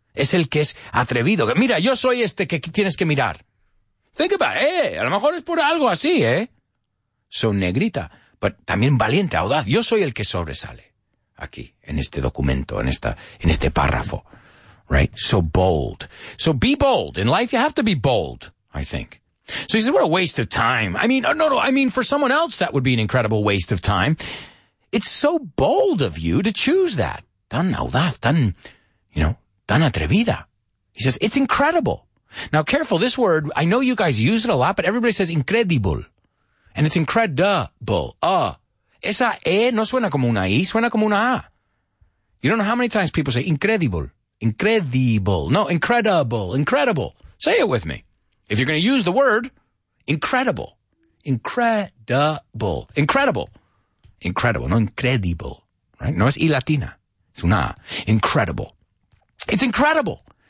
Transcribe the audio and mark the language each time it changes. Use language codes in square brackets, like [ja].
[es] Es el que es atrevido. Mira, yo soy este que tienes que mirar. [en] Think about it. [es] A lo mejor es por algo así, ¿eh? So negrita, but también valiente, audaz. Yo soy el que sobresale aquí, en este documento, en este párrafo, right? [en] So bold. So be bold. In life, you have to be bold, I think. So he says, what a waste of time. I mean, for someone else, that would be an incredible waste of time. It's so bold of you to choose that. [es] Tan audaz, tan, [en] you know, [es] tan atrevida. [en] He says, it's incredible. Now, careful, this word, I know you guys use it a lot, but everybody says incredible. And it's incredible. [es] Esa E no suena como una I, suena como una A. [en] You don't know how many times people say incredible. Incredible. No, incredible. Incredible. Say it with me. If you're going to use the word, incredible. Incredible. Incredible. Incredible. No, incredible. Right? [es] No es I latina. Es una A. [en] Incredible. It's incredible.